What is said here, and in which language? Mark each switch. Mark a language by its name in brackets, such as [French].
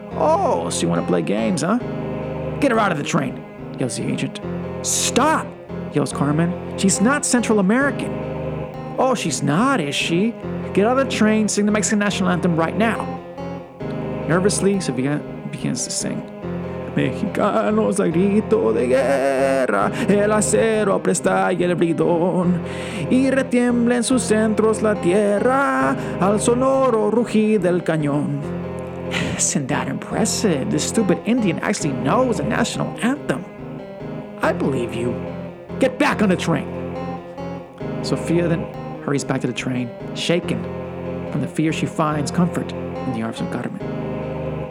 [English] Oh, so you want to play games, huh? Get her out of the train, yells the agent. Stop, yells Carmen. She's not Central American. Oh, she's not, is she? Get out of the train, sing the Mexican national anthem right now. Nervously, Sophia begins to sing. [Spanish] mexicanos a grito de guerra, el acero apresta y el bridón, y retiembla en sus centros la tierra al sonoro rugir del cañón. [English] Isn't that impressive? The stupid Indian actually knows the national anthem. I believe you. Get back on the train! Sophia then hurries back to the train, shaken from the fear she finds comfort in the arms of Carmen.